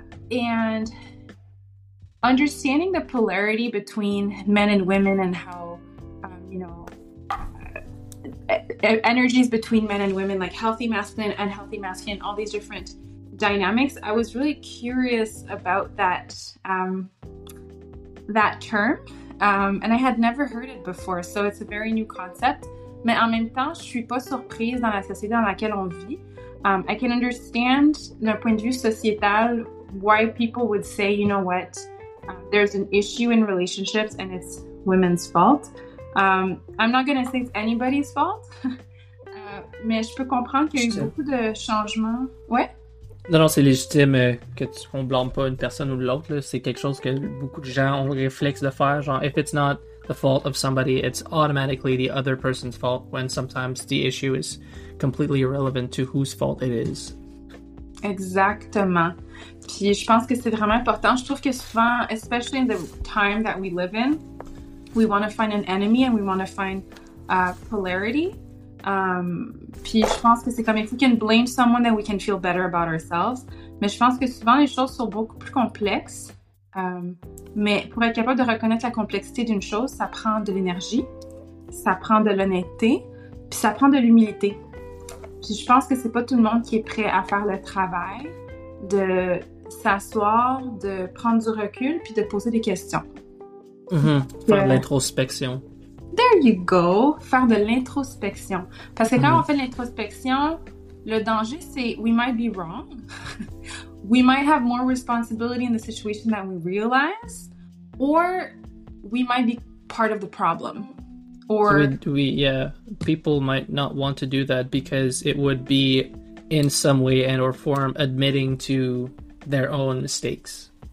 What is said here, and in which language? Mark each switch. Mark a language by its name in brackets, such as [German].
[English] And understanding the polarity between men and women and how, you know, energies between men and women, like healthy masculine, unhealthy masculine, all these different dynamics, I was really curious about that, that term. And I had never heard it before, so it's a very new concept. [French] Mais en même temps, je suis pas surprise dans la société dans laquelle on vit. [English] I can understand, [French] d'un point de vue sociétal, [English] why people would say, you know what, there's an issue in relationships and it's women's fault. I'm not going to say it's anybody's fault. [French] mais je peux comprendre qu'il y a eu beaucoup de changements. Ouais? Non, c'est légitime qu'on ne blâme pas une personne ou l'autre. Là. C'est quelque chose que beaucoup de gens ont le réflexe de faire. [English] Genre, if it's not the fault of somebody, it's automatically the other person's fault, when sometimes the issue is completely irrelevant to whose fault it is. [French] Exactement. Puis je pense que c'est vraiment important. Je trouve que souvent, [English] especially in the time that we live in, we want to find an enemy and we want to find polarity. [French] Puis je pense que c'est comme [English] if we can blame someone that we can feel better about ourselves, [French] mais je pense que souvent les choses sont beaucoup plus complexes, mais pour être capable de reconnaître la complexité d'une chose, ça prend de l'énergie, ça prend de l'honnêteté, puis ça prend de l'humilité. Puis je pense que c'est pas tout le monde qui est prêt à faire le travail de s'asseoir, de prendre du recul, puis de poser des questions. Faire de l'introspection. [English] There you go, [French] faire de l'introspection. Parce que quand on fait de l'introspection, le danger, c'est [English] we might be wrong. We might have more responsibility in the situation than we realize. Or we might be part of the problem. Or people might not want to do that because it would be in some way and or form admitting to their own mistakes.